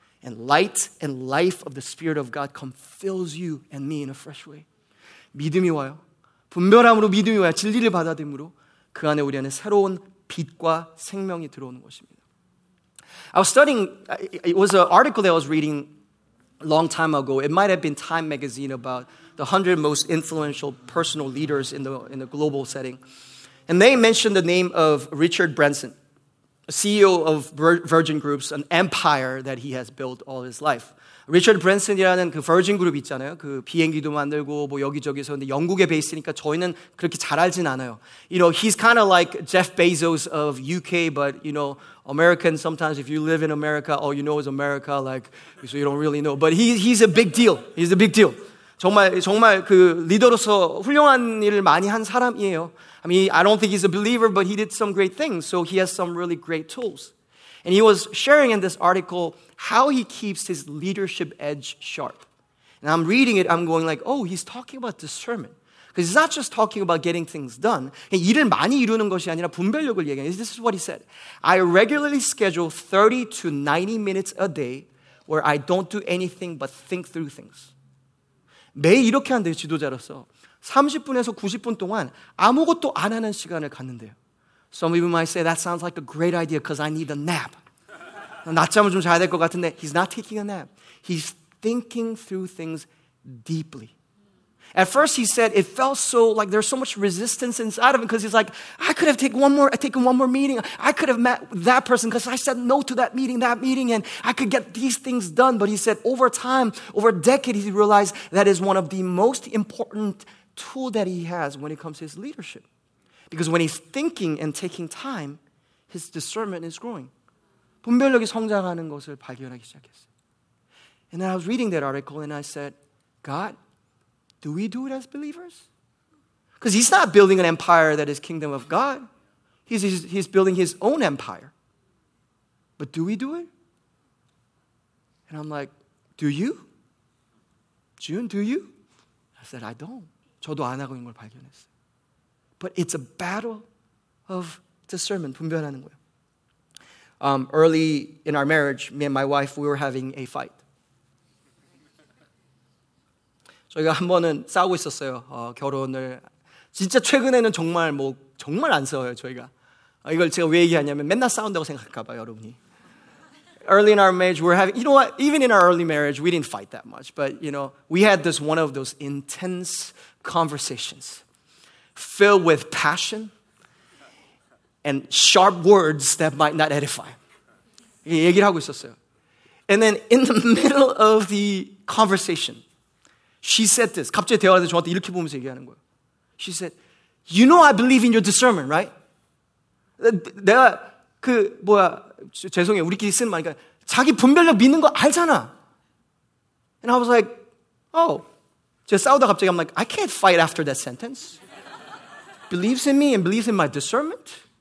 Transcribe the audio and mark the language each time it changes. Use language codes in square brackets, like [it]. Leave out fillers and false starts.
[en] And light and life of the Spirit of God come fills you and me in a fresh way. [ko] 믿음이 와요. 분별함으로 믿음이 와요. 진리를 받아들임으로 그 안에 우리 안에 새로운 빛과 생명이 들어오는 것입니다. [en] I was studying, it was an article that I was reading a long time ago. It might have been Time magazine about the 100 most influential personal leaders in the global setting. And they mentioned the name of Richard Branson. CEO of Virgin Groups, an empire that he has built all his life. [ko] Richard Branson이라는 그 Virgin Group 있잖아요. 그 비행기도 만들고 뭐 여기저기서 근데 영국에 베이스니까 저희는 그렇게 잘 알진 않아요. [en] You know, he's kind of like Jeff Bezos of UK, but you know, American. Sometimes if you live in America, all you know is America. Like, so you don't really know. But he's a big deal. He's a big deal. [ko] 정말 정말 그 리더로서 훌륭한 일을 많이 한 사람이에요. [en] I mean, I don't think he's a believer, but he did some great things. So he has some really great tools. And he was sharing in this article how he keeps his leadership edge sharp. And I'm reading it, I'm going like, oh, he's talking about discernment. Because he's not just talking about getting things done. [ko] 일을 많이 이루는 것이 아니라 분별력을 얘기하는. [en] This is what he said. I regularly schedule 30 to 90 minutes a day where I don't do anything but think through things. [ko] 매일 이렇게 한대요, 지도자로서. 30분에서 90분 동안 아무것도 안 하는 시간을 갖는데요. [en] Some of you might say that sounds like a great idea because I need a nap. [ko] 낮잠을 좀 자야 될 것 같은데 [en] he's not taking a nap. He's thinking through things deeply. At first he said it felt so like there's so much resistance inside of him because he's like I could have taken one more meeting. I could have met that person because I said no to that meeting and I could get these things done. But he said over time, over a decade, he realized that is one of the most important tool that he has when it comes to his leadership. Because when he's thinking and taking time, his discernment is growing. [ko] 분별력이 성장하는 것을 발견하기 시작했어요. [en] And then I was reading that article and I said, God, do we do it as believers? Because he's not building an empire that is kingdom of God. He's building his own empire. But do we do it? And I'm like, do you? June, do you? I said, I don't. [ko] 저도 안 하고 있는 걸 발견했어요. [en] But it's a battle of discernment, [ko] 분별하는 거예요. [en] Early in our marriage, me and my wife, we were having a fight. [ko] 저희가 한 번은 싸우고 있었어요. 결혼을 진짜 최근에는 정말 뭐 정말 안 싸워요, 저희가. 이걸 제가 왜 얘기하냐면 맨날 싸운다고 생각할까 봐요, 여러분이. [en] Early in our marriage, we're having, you know what, even in our early marriage, we didn't fight that much. But, you know, we had this one of those intense conversations filled with passion and sharp words that might not edify. [ko] 얘기를 하고 있었어요. [en] And then in the middle of the conversation, she said this. [ko] 갑자기 대화하는데 저한테 이렇게 보면서 얘기하는 거예요. [en] She said, you know I believe in your discernment, right? [ko] 내가 그 뭐야. 죄송해요. 우리끼리 쓴 말이니까 자기 분별력 믿는 거 알잖아. [en] And I was like, oh. [ko] 제가 싸우다 갑자기 [en] I'm like, I can't fight after that sentence. Believes in me and believes in my discernment.